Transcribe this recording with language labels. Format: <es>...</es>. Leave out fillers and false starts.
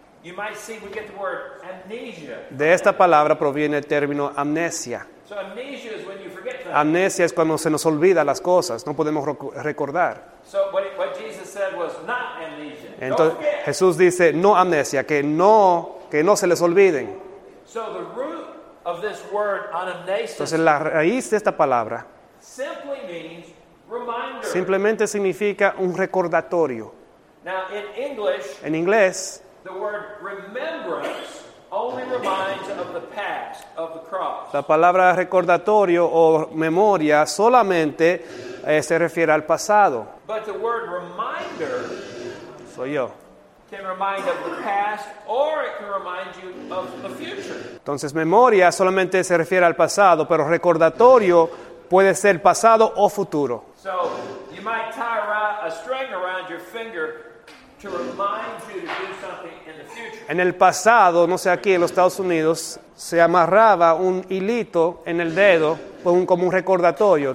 <en>You might see we get the word amnesia.</en> <es>De esta palabra proviene el término amnesia.</es> <en>So amnesia is when you forget things.</en> <es>Amnesia es cuando se nos olvida las cosas, no podemos recordar.</es> <en>So what Jesus said was not amnesia.</en> <es>Entonces,</es> <en>don't forget.</en> <es>Jesús dice no amnesia, que no se les olviden.</es> <en>So the root of this word anamnesis.</en> <es>Entonces la raíz de esta palabra.</es> <en>Simply means reminder.</en> <es>Simplemente significa un recordatorio.</es> <en>Now in English.</en> <es>En inglés.</es> <en>The word remembrance. Only reminds of the past of the cross.</en> <es>La palabra recordatorio o memoria solamente se refiere al pasado.</es> <en>But the word reminder.</en> <es>Soy yo.</es> <en>Can remind of the past or it can remind you of the future.</en> <es>Entonces memoria solamente se refiere al pasado, pero recordatorio puede ser pasado o futuro.</es> <en>So you might tie a string around your finger to remind you to do something.</en> <es>En el pasado, no sé, aquí en los Estados Unidos, se amarraba un hilito en el dedo como un recordatorio.</es>